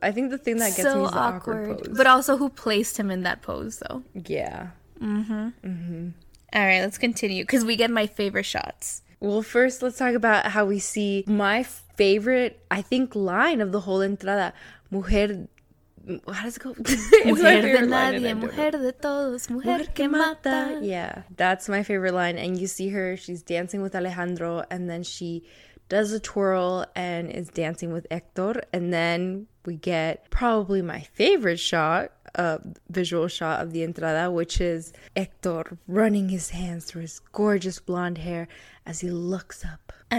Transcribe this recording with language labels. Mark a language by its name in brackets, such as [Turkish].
[English] I think the thing that gets so me is awkward. The awkward pose. But also, who placed him in that pose, though? Yeah. Mm-hmm. Mm-hmm. All right, let's continue, because we get my favorite shots. Well, first, let's talk about how we see my favorite, I think, line of the whole entrada. Mujer, how does it go? [Spanish] Mujer de nadie, mujer de todos, mujer que mata. [English] Yeah, that's my favorite line. And you see her, she's dancing with Alejandro, and then she does a twirl and is dancing with Hector. And then we get probably my favorite shot. A visual shot of the entrada, which is Hector running his hands through his gorgeous blonde hair as he looks up.